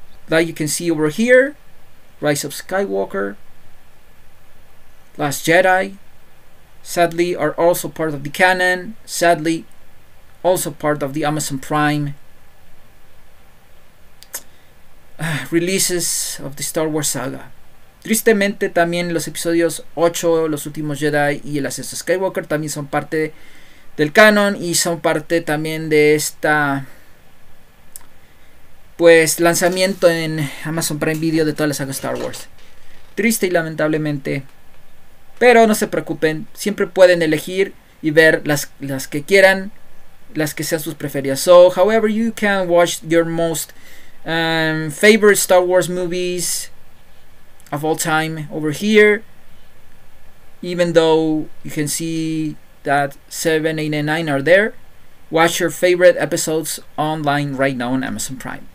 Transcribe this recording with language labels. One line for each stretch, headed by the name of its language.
English: Like you can see over here, Rise of Skywalker, Last Jedi, sadly, are also part of the canon, sadly, also part of the Amazon Prime releases of the Star Wars saga.
Spanish: Tristemente, también los episodios 8, Los Últimos Jedi y El Ascenso de Skywalker también son parte del canon y son parte también de esta, pues, lanzamiento en Amazon Prime Video de toda la saga Star Wars. Triste y lamentablemente. Pero no se preocupen, siempre pueden elegir y ver las que quieran, las que sean sus preferidas.
English: So, however you can watch your most favorite Star Wars movies of all time over here, even though you can see that 7, 8, and 9 are there, watch your favorite episodes online right now on Amazon Prime.